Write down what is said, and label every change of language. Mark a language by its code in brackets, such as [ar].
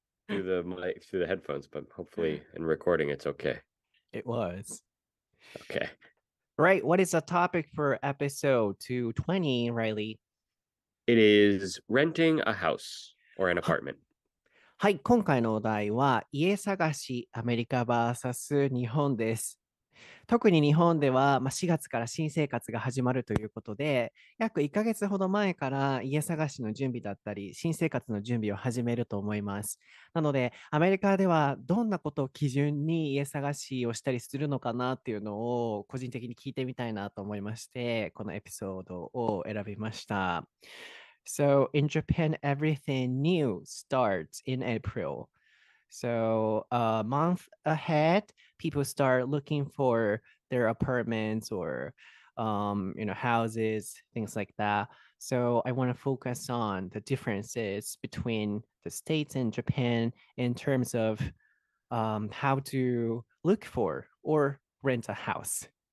[en] Through the headphones, but hopefully in recording it's okay. It was. Okay. Right, what is the topic for episode 220, Reilly? It is renting a house or an apartment. [ja] はい、今回のお題は家探し、アメリカ VS 日本です。特に日本では、まあ、4月から新生活が始まるということで約1ヶ月ほど前から家探しの準備だったり新生活の準備を始めると思います。なのでアメリカではどんなことを基準に家探しをしたりするのかなっていうのを個人的に聞いてみたいなと思いましてこのエピソードを選びました。 [en] So in Japan everything new starts in AprilSo a month ahead, people start looking for their apartments or, you know, houses, things like that. So I want to focus on the differences between the States and Japan in terms of how to look for or rent a house.